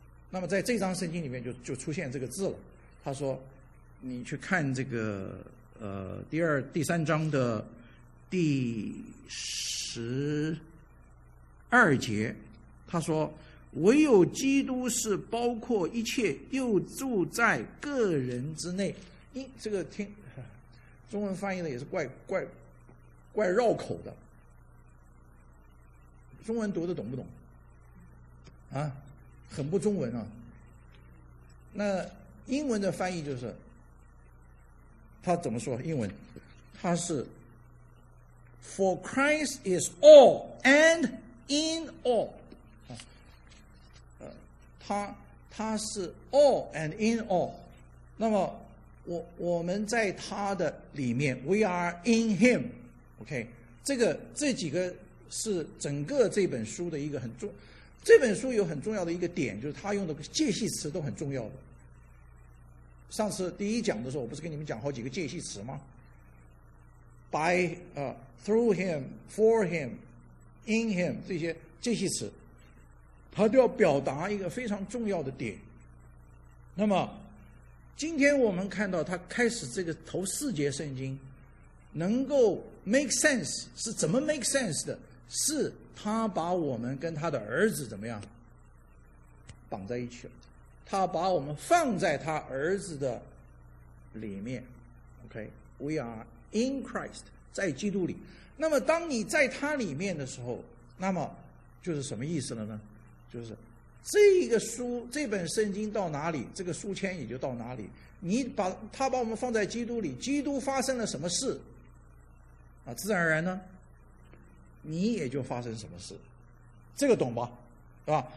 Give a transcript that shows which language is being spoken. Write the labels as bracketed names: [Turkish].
[Chinese] 那么在这张圣经里面就出现这个字了。他说你去看这个第三章的第十二节，他说唯有基督是包括一切又住在个人之内。这个听中文翻译的也是怪绕口的，中文读的懂不懂啊？很不中文啊。那英文的翻译就是他怎么说，英文他是 [English] For Christ is all and in all， [Chinese] 他是 [English] all and in all。 [Chinese] 那么我们在他的里面， [English] We are in him。 [Chinese] OK， 这几个是整个这本书的一个很重，这本书有很重要的一个点，就是他用的介系词都很重要的。上次第一讲的时候我不是跟你们讲好几个介系词吗？ [English] by through him for him in him [Chinese] 这些介系词，他都要表达一个非常重要的点。那么今天我们看到他开始这个头四节圣经能够 [English] make sense， [Chinese] 是怎么 make sense 的？是他把我们跟他的儿子怎么样绑在一起了，他把我们放在他儿子的里面。 [English] OK， We are in Christ， [Chinese] 在基督里。那么当你在他里面的时候，那么就是什么意思了呢？就是这个书，这本圣经到哪里，这个书签也就到哪里。你把他把我们放在基督里，基督发生了什么事啊，自然而然呢你也就发生什么事，这个懂吧，是吧？